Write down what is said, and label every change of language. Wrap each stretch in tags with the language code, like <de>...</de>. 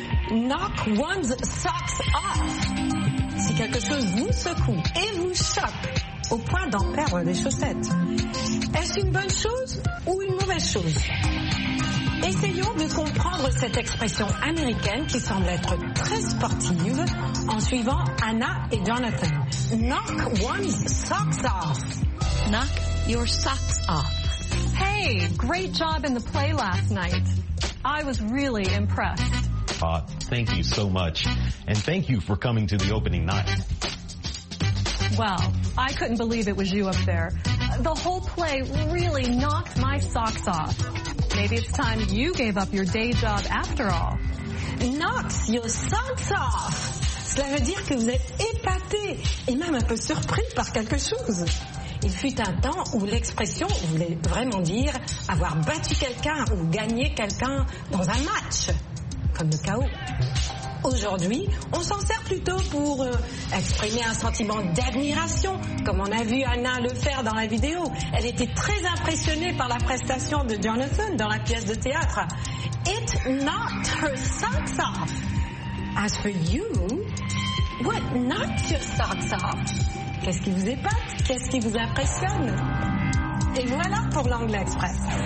<en>Knock one's socks off.</en> <fr>Si quelque chose vous secoue et vous choque, au point d'en perdre les chaussettes. Est-ce une bonne chose ou une mauvaise chose? Essayons de comprendre cette expression américaine qui semble être très sportive en suivant Anna et Jonathan.</fr> <en>Knock one's socks off. Knock your socks off. Hey, great job in the play last night. I was really impressed. Thank you so much. And thank you for coming to the opening night. Well, I couldn't believe it was you up there. The whole play really knocked my socks off. Maybe it's time you gave up your day job after all. Knocks your socks off!</en> <fr>Cela veut dire que vous êtes épaté et même un peu surpris par quelque chose. Il fut un temps où l'expression voulait vraiment dire avoir battu quelqu'un ou gagné quelqu'un dans un match, comme le chaos. Aujourd'hui, on s'en sert plutôt pour exprimer un sentiment d'admiration, comme on a vu Anna le faire dans la vidéo. Elle était très impressionnée par la prestation de Jonathan dans la pièce de théâtre.</fr> <en>It knocked her socks off. As for you, what knocked your socks off?</en> <fr>Qu'est-ce qui vous épate? Qu'est-ce qui vous impressionne? Et voilà pour l'Anglais Express.</fr>